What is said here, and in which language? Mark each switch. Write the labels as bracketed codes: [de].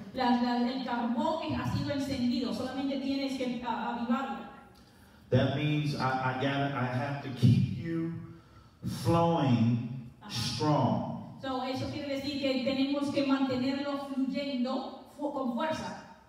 [es] El carbón ha sido encendido. Solamente tienes que avivarlo. [en] That means I have to keep you flowing strong. [es] So eso quiere decir que tenemos que mantenerlo fluyendo con fuerza.